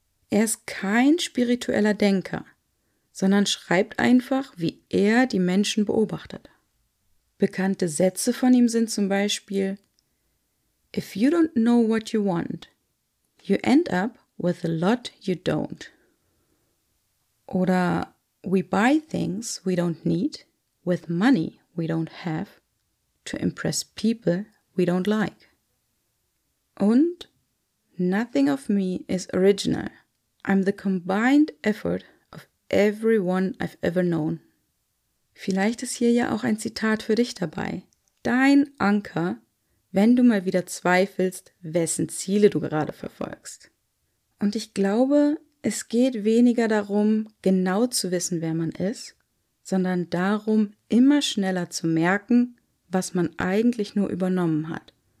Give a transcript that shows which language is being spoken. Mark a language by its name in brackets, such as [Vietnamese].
[German] Er ist kein spiritueller Denker, sondern schreibt einfach, wie er die Menschen beobachtet. Bekannte Sätze von ihm sind zum Beispiel: [English] If you don't know what you want, you end up with a lot you don't. [German] Oder [English] we buy things we don't need with money we don't have to impress people we don't like. [German] Und [English] nothing of me is original. I'm the combined effort of everyone I've ever known. [German] Vielleicht ist hier ja auch ein Zitat für dich dabei. Dein Anker, wenn du mal wieder zweifelst, wessen Ziele du gerade verfolgst. Und ich glaube, es geht weniger darum, genau zu wissen, wer man ist, sondern darum, immer schneller zu merken, was man eigentlich nur übernommen hat.